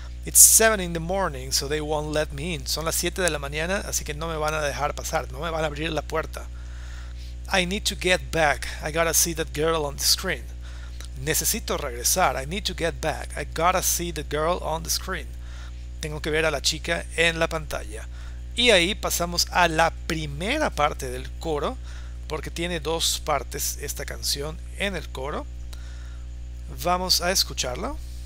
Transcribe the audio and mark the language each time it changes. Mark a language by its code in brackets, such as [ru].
[en] It's 7 in the morning, so they won't let me in. [es] Son las 7 de la mañana, así que no me van a dejar pasar, no me van a abrir la puerta. [en] I need to get back, I gotta see that girl on the screen. [es] Necesito regresar, [en] I need to get back, I gotta see the girl on the screen. [es] Tengo que ver a la chica en la pantalla. Y ahí pasamos a la primera parte del coro, porque tiene dos partes esta canción en el coro. Vamos a escucharlo.